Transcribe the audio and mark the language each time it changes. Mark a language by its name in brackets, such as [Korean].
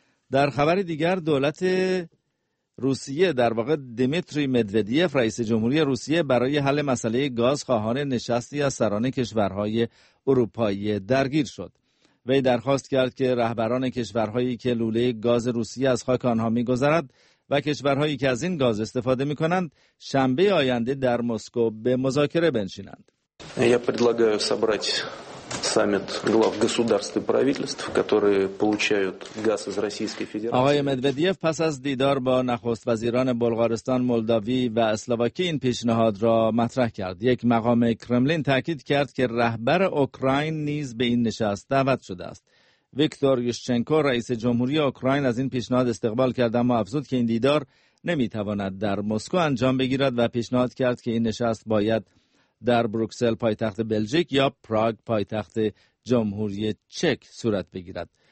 [Persian] در خبر دیگر، دولت روسیه، در واقع دیمیتری مدودیف رئیس جمهوری روسیه، برای حل مسئله گاز خواهان نشستی از سران کشورهای اروپایی درگیر شد. وی درخواست کرد که رهبران کشورهایی که لوله گاز روسیه از خاک آنها می‌گذرد و کشورهایی که از این گاز استفاده می‌کنند شنبه آینده در مسکو به مذاکره بنشینند. [Russian] Я предлагаю собрать саммит глав государств и правительств, которые получают газ из Российской Федерации. [Persian] آقای مدودیف پس از دیدار با نخست وزیران بلغارستان، مولداوی و اسلواکی این پیشنهاد را مطرح کرد. یک مقام کرملین تاکید کرد که رهبر اوکراین نیز به این نشست دعوت شده است. ویکتور یوشچنکو، رئیس جمهوری اوکراین، از این پیشنهاد استقبال کرد اما افزود که این دیدار نمیتواند در مسکو انجام بگیرد و پیشنهاد کرد که این نشست باید در بروکسل پایتخت بلژیک یا پراگ پایتخت جمهوری چک صورت بگیرد.